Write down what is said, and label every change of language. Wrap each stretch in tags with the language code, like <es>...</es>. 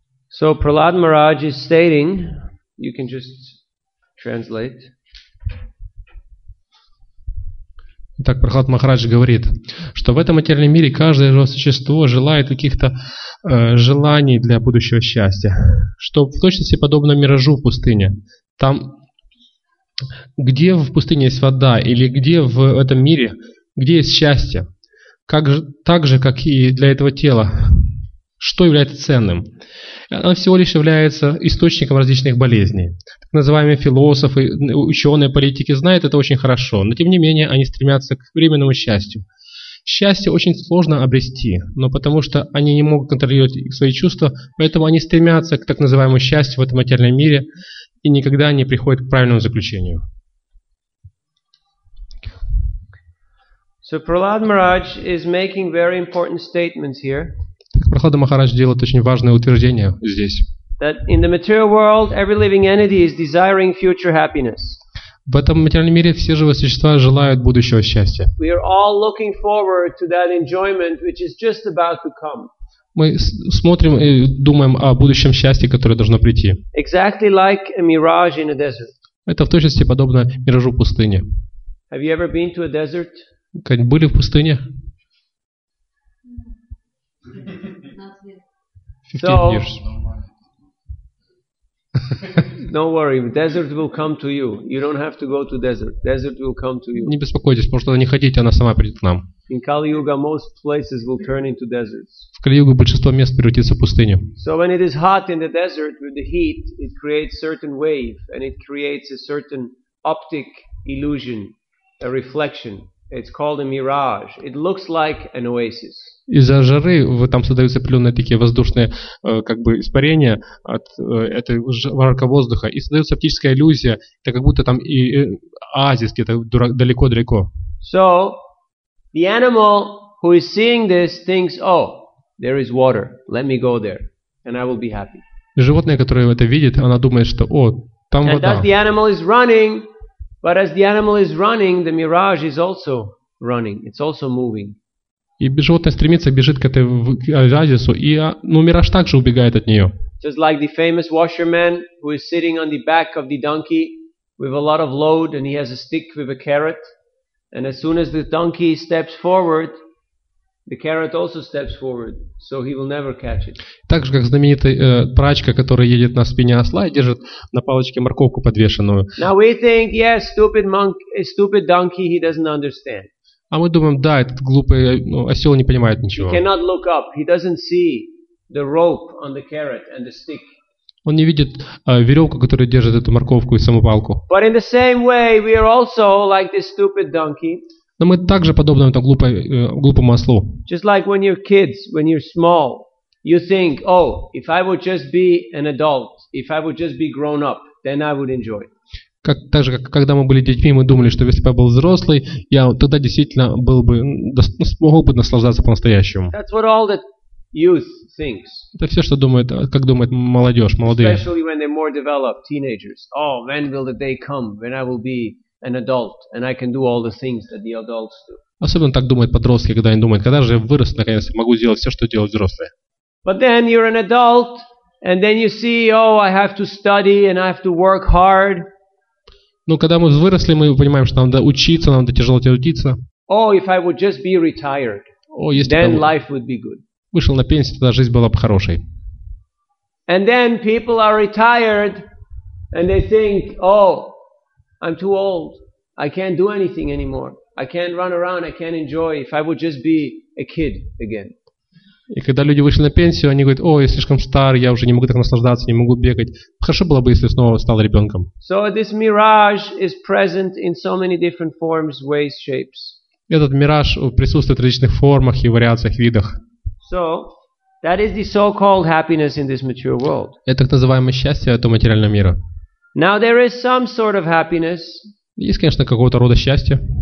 <en>So Prahlad Maharaj is stating, you can just translate.</en> <ru>Так Прохлад Махарадж говорит, что в этом материальном мире каждое живое существо желает каких-то желаний для будущего счастья, что в точности подобно миражу в пустыне. Там, где в пустыне есть вода, или где в этом мире, где есть счастье, как же, так же, как и для этого тела, что является ценным? Оно всего лишь является источником различных болезней. Так называемые философы, ученые, политики знают это очень хорошо, но тем не менее они стремятся к временному счастью. Счастье очень сложно обрести, но потому что они не могут контролировать свои чувства, поэтому они стремятся к так называемому счастью в этом материальном мире и никогда не приходят к правильному заключению.</ru> <en>So Prahlad Maharaj is making very important statements here.</en> <ru>Так Прохлада Махарадж делает очень важное утверждение здесь.</ru> <en>That in the material world, every living entity is desiring future happiness.</en> <ru>В этом материальном мире все живые существа желают будущего счастья.</ru> <en>We are all looking forward to that enjoyment, which is just about to come.</en> <ru>Мы смотрим и думаем о будущем счастье, которое должно прийти.</ru> <en>Exactly like a mirage in a desert.</en> <ru>Это в точности подобно миражу в пустыне.</ru> <en>Have you ever been to a desert?</en> <ru>Были в пустыне?</ru> <en>Don't worry, desert will come to you. You don't have to go to desert. Desert will come to you.</en> <ru>Не беспокойтесь, потому что она не хотите, она сама придет к нам.</ru> <en>In Kali-Yuga, most places will turn into deserts.</en> <ru>В Кали-Юге большинство мест превратится в пустыню.</ru> <en>So when it is hot in the desert with the heat, it creates certain wave and it creates a certain optic illusion, a reflection. It's called a mirage. It looks like an oasis.</en> <ru>Из-за жары там создаются определенные такие воздушные испарения от этого жаркого воздуха и создается оптическая иллюзия, это как будто там и оазис где-то далеко-далеко.</ru> <en>So, the animal who is seeing this thinks, oh, there is water. Let me go there and I will be happy.</en> <ru>Животное, которое это видит, она думает, что, о, там вода.</ru> <en>And thus the animal is running. But as the animal is running, the mirage is also running. It's also moving.</en> <ru>И животное стремится, бежит к этой оазису, и мираж также убегает от нее.</ru> <en>Just like the famous washerman who is sitting on the back of the donkey with a lot of load, and he has a stick with a carrot, and as soon as the donkey steps forward, the carrot also steps forward, so he will never catch it.</en> <ru>Так же, как знаменитый прачка, который едет на спине осла и держит на палочке морковку подвешенную.</ru> <en>Now we think, yes, stupid monkey, stupid donkey, he doesn't understand.</en> <ru>А мы думаем, да, этот глупый осел не понимает ничего.</ru> <en>He cannot look up. He doesn't see the rope on the carrot and the stick.</en> <ru>Он не видит веревку, которая держит эту морковку и саму палку.</ru> <en>But in the same way, we are also like this stupid donkey.</en> <ru>Но мы также подобны этому глупому ослу.</ru> <en>Just like when you're kids, when you're small, you think, oh, if I would just be an adult, if I would just be grown up, then I would enjoy.</en> <ru>Как так же, как когда мы были детьми, мы думали, что если бы я был взрослый, я тогда действительно был бы смогу бы наслаждаться по-настоящему.</ru> <en>That's what all the youth thinks.</en> <ru>Это все, что думает, как думает молодежь, молодые.</ru> <en>Especially when they're more developed, teenagers. Oh, when will the day come when I will be an adult and I can do all the things that the adults do.</en> <ru>Особенно так думают подростки, когда они думают, когда же я вырос, наконец, могу сделать все, что делают взрослые.</ru> <en>But then you're an adult and then you see, oh, I have to study and I have to work hard.</en> <ru>Но когда мы выросли, мы понимаем, что нам надо учиться, нам надо тяжело трудиться.</ru> <en>Oh, if I would just be retired.</en> <ru>Oh, если</ru> <en>then life would be good.</en> <ru>Вышел на пенсию, тогда жизнь была бы хорошей.</ru> <en>And then people are retired and they think, oh, I'm too old. I can't do anything anymore. I can't run around. I can't enjoy. If I would just be a kid again.</en> <ru>И когда люди вышли на пенсию, они говорят: "О, я слишком стар. Я уже не могу так наслаждаться, не могу бегать. Хорошо было бы, если снова стал ребенком."</ru> <en>So this mirage is present in so many different forms, ways, shapes.</en> <ru>Этот мираж присутствует в различных формах и вариациях, видах.</ru> <en>So that is the so-called happiness in this material world.</en> <ru>Это так называемое счастье этого материального мира.</ru> <en>Now there is some sort of happiness.</en> <ru>Есть, конечно, какого-то рода счастье.</ru>